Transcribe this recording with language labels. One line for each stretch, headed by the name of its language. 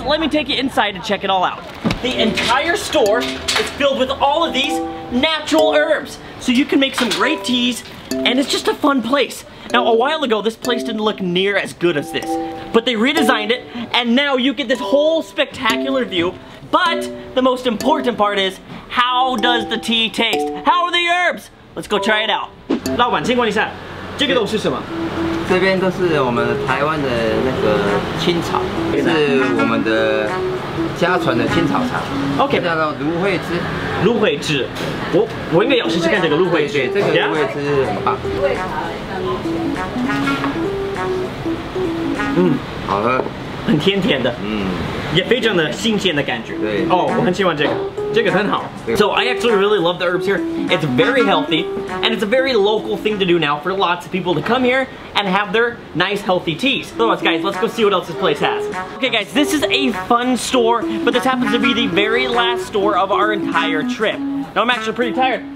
English: Let me take you inside and check it all out. The entire store is filled with all of these natural herbs, so you can make some great teas, and it's just a fun place. Now, a while ago, this place didn't look near as good as this, but they redesigned it, and now you get this whole spectacular view. But the most important part is, how does the tea taste? How are the herbs? Let's go try it out.
Chinese: 老板，请问一下，这个都是什么？这边都是我们台湾的那个青草，是我们的家传的青草茶。
English: OK，
Chinese: 叫做芦荟汁。芦荟汁，我应该要试试看这个芦荟汁。对，这个芦荟汁很棒。嗯，好喝，很甜甜的，嗯，也非常的新鲜的感觉。对，哦，我很喜欢这个，这个很好。
English: So I actually really love the herbs here. It's very healthy, and it's a very local thing to do now for lots of people to come here and have their nice healthy teas. So guys, let's go see what else this place has. Okay, guys, this is a fun store, but this happens to be the very last store of our entire trip. Now I'm actually pretty tired.